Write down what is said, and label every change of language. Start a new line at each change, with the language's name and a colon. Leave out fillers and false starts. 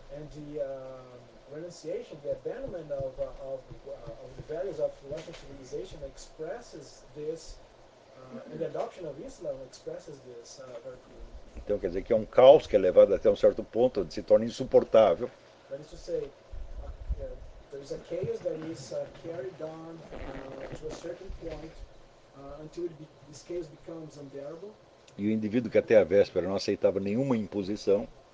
English: And the renunciation, the abandonment of the values of Western civilization expresses this. And the adoption of Islam expresses this very.
Portuguese: Então quer dizer que é um caos que é levado até um certo ponto onde se torna insuportável.
English: That is to say, there is a chaos that is carried on to a certain point until this chaos becomes unbearable.
Portuguese: E o indivíduo que até a véspera não aceitava nenhuma imposição.